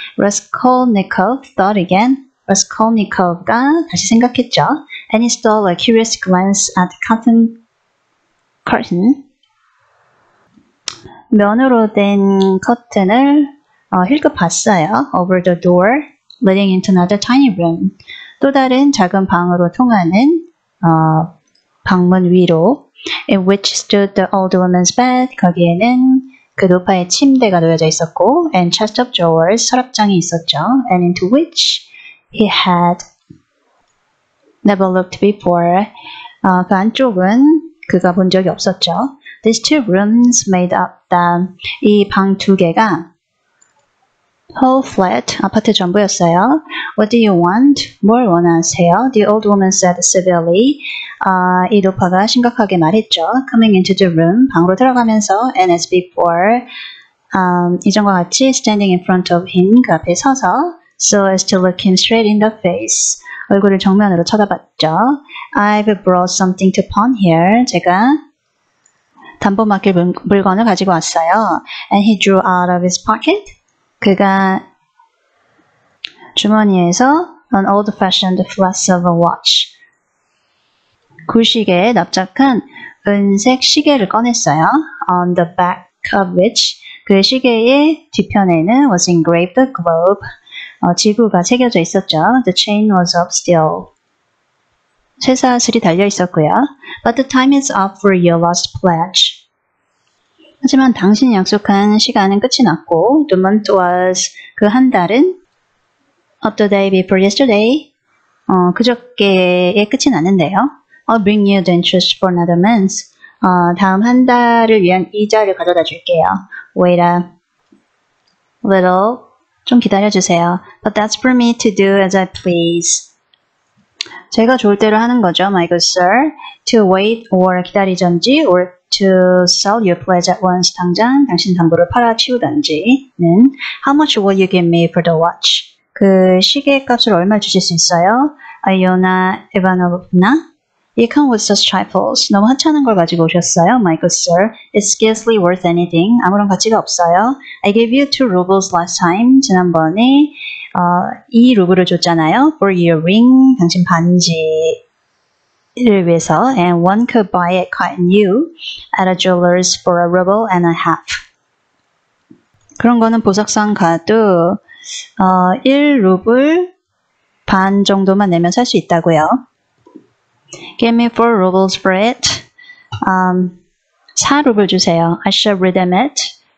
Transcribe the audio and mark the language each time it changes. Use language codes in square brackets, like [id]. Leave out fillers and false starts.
[en] Raskolnikov thought again. Raskolnikov가 [ko] 다시 생각했죠. [en] And he stole a curious glance at the cotton curtain. [ko] 면으로 된 커튼을 힐끗 봤어요. [en] Over the door leading into another tiny room. [ko] 또 다른 작은 방으로 통하는 방문 위로. [en] In which stood the old woman's bed. [ko] 거기에는 그 노파의 침대가 놓여져 있었고. [en] And chest of drawers. [ko] 서랍장이 있었죠. [en] And into which he had never looked before. [ko] 그 안쪽은 그가 본 적이 없었죠. [en] These two rooms made up the [ko] 이 방 두 개가 [en] whole flat, [ko] 아파트 전부였어요. [en] What do you want? [ko] 뭘 원하세요? [en] The old woman said severely. [ko] 이 노파가 심각하게 말했죠. [en] Coming into the room, [ko] 방으로 들어가면서 [en] and as before, [ko] 이전과 같이 [en] standing in front of him, [ko] 그 앞에 서서 [en] So as to look him straight in the face. [ko] 얼굴을 정면으로 쳐다봤죠. [en] I've brought something to pawn here. [ko] 제가 담보 맡길 물건을 가지고 왔어요. [en] And he drew out of his pocket. [ko] 그가 주머니에서 [en] an old-fashioned flask of a watch. [ko] 구시계에 납작한 은색 시계를 꺼냈어요. [en] On the back of which [ko] 그 시계의 뒤편에는 [en] was engraved a globe. [ko] 지구가 새겨져 있었죠. [en] The chain was of steel. [ko] 쇠사슬이 달려 있었고요. [en] But the time is up for your last pledge. [ko] 하지만 당신이 약속한 시간은 끝이 났고 [en] The month was [ko] 그 한 달은 [en] of the day before yesterday. [ko] 그저께의 끝이 났는데요. [en] I'll bring you the interest for another month. [ko] 다음 한 달을 위한 이자를 가져다 줄게요. [en] Wait a little. 좀 기다려주세요. But that's for me to do as I please. [ko] 제가 좋을 대로 하는 거죠, [en] my good sir. To wait or [ko] 기다리던지 [en] or to sell your pledge at once [ko] 당장 당신 담보를 팔아치우던지는 [en] How much will you give me for the watch? [ko] 그 시계 값을 얼마 주실 수 있어요? [en] Iona Ivanovna? You come with such trifles. [ko] 너무 하찮은 걸 가지고 오셨어요, [en] my good sir. It's scarcely worth anything. [ko] 아무런 가치가 없어요. [en] I gave you 2 rubles last time. [ko] 지난번에 이 루블을 줬잖아요. [en] For your ring, [ko] 당신 반지를 위해서. [en] And one could buy it quite new at a jeweler's for a ruble and a half. [ko] 그런 거는 보석상 가도 1루블 반 정도만 내면 살 수 있다고요. [en] Give me 4 rubles for it. [ko] 4루블 주세요. [en] I shall redeem it.